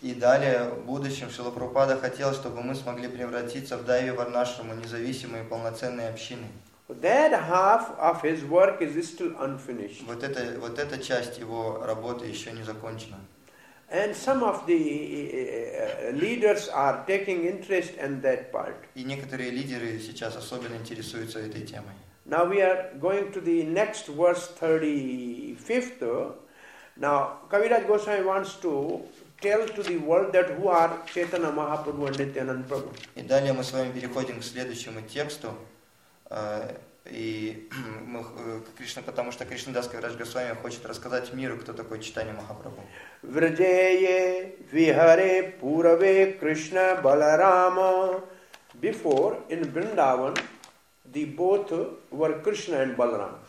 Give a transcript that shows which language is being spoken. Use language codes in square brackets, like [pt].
[ru] И далее, в будущем, Шрила Прабхупада хотел, чтобы мы смогли превратиться в Devi Varna Ashram, независимые полноценные общины. [en] That half of his work is still unfinished. [ru] Вот эта часть его работы еще не закончена. [en] And some of the leaders are taking interest in that part. [ru] И некоторые лидеры сейчас особенно интересуются этой темой. [en] Now we are going to the next verse 35. Now Kaviraj Goswami wants to tell to the world that who are Chaitanya Mahaprabhu and Nityananda Prabhu. [ru] И далее мы с вами переходим к следующему тексту. И мы, Кришна, потому что Кришна Дас Кавираджа Госвами хочет рассказать миру, кто такой Чайтанья Махапрабху. [bn] Враджее вихаре пураве Кришна Баларама. [en] Before in Vrindavan, the both were Krishna and Balarama.